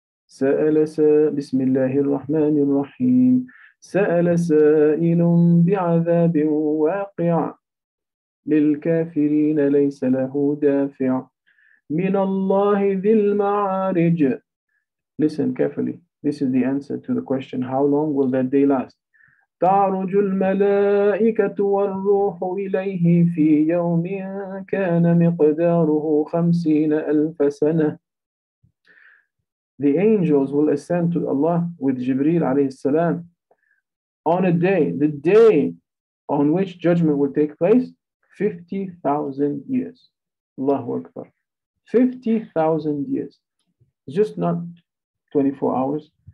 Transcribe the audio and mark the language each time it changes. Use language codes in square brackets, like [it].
[ar] سأل سائل بسم الله الرحمن الرحيم سأل سائل بعذاب واقع للكافرين ليس له دافع من الله ذي المعارج. [en] Listen carefully. This is the answer to the question, how long will that day last? [ar] تعرج الملائكة والروح إليه في يوم كان مقداره [en] 50,000 years. The angels will ascend to Allah with Jibreel alayhi salam on a day, the day on which judgment will take place, 50,000 years. Allahu Akbar. 50,000 years. Just not 24 hours.